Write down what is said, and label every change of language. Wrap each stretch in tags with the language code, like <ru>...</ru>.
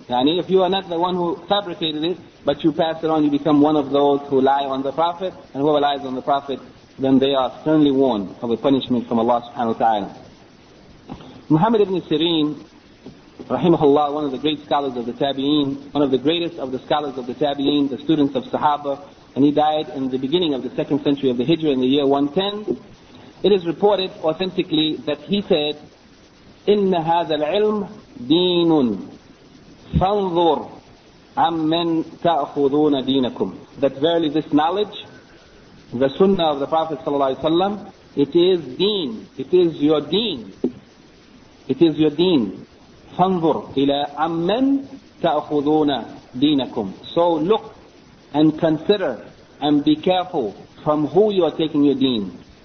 <en>Yani if you are not the one who fabricated it, but you pass it on, you become one of those who lie on the Prophet, and whoever lies on the Prophet, then they are sternly warned of a punishment from Allah subhanahu wa ta'ala. Muhammad ibn Sirin, rahimahullah, one of the great scholars of the Tabi'een, one of the greatest of the scholars of the Tabi'een, the students of Sahaba, and he died in the beginning of the second century of the Hijra in the year 110. It is reported authentically that he said,</en> <ar>إِنَّ هَذَا الْعِلْمُ دِينٌ فَانْظُرْ عَمَّنْ تَأْخُذُونَ دِينَكُمْ.</ar> <en>That verily this knowledge, the sunnah of the Prophet sallallahu alaihi wasallam, it is deen, it is your deen, it is your deen.</en> <ar>فَانْظُرْ إِلَىٰ أَمَّنْ تَأْخُذُونَ دِينَكُمْ.</ar> <en>So look and consider and be careful from who you are taking your deen.</en>